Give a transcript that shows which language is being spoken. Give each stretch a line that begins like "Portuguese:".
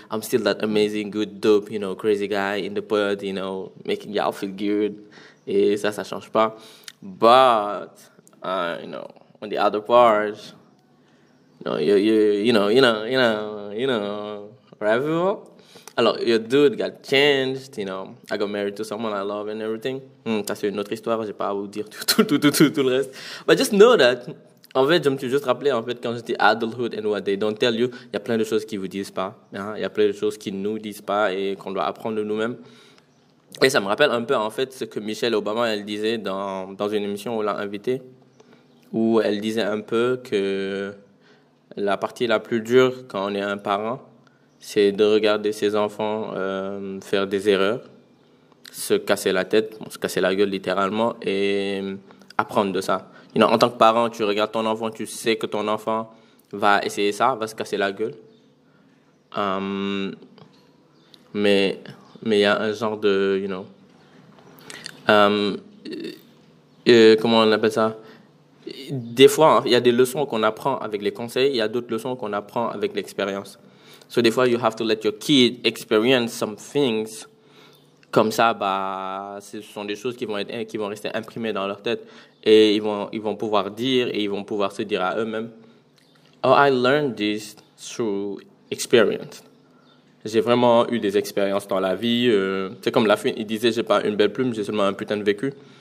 English: I'm still that amazing, good, dope, you know, crazy guy in the pod, you know, making y'all feel good.
French: Et ça, ça change pas.
English: But, you know, on the other part, no, you know, right, people? Alors, your dude got changed, you know. I got married to someone I love and everything.
French: Ça, c'est une autre histoire, j'ai pas à vous dire tout le reste.
English: But just know that,
French: en fait, je me suis juste rappelé, en fait, quand j'étais
English: adulthood and what they don't tell you,
French: il y a plein de choses qu'ils vous disent pas. Hein? Il y a plein de choses qu'ils nous disent pas et qu'on doit apprendre de nous-mêmes. Et ça me rappelle un peu, en fait, ce que Michelle Obama, elle disait dans une émission où l'a invité, où elle disait un peu que la partie la plus dure quand on est un parent, c'est de regarder ses enfants faire des erreurs, se casser la tête, se casser la gueule littéralement, et apprendre de ça.
English: You know,
French: en tant que parent, tu regardes ton enfant, tu sais que ton enfant va essayer ça, va se casser la gueule. Mais il y a un genre de,
English: you know,
French: comment on appelle ça? Des fois, il y a des leçons qu'on apprend avec les conseils, il y a d'autres leçons qu'on apprend avec l'expérience.
English: So,
French: des fois,
English: you have to let your kid experience some things.
French: Comme ça, ce sont des choses qui vont rester imprimées dans leur tête. Et ils vont pouvoir dire, et ils vont pouvoir se dire à eux-mêmes,
English: oh, I learned this through experience.
French: J'ai vraiment eu des expériences dans la vie. C'est comme Lafine, il disait, j'ai pas une belle plume, j'ai seulement un putain de vécu.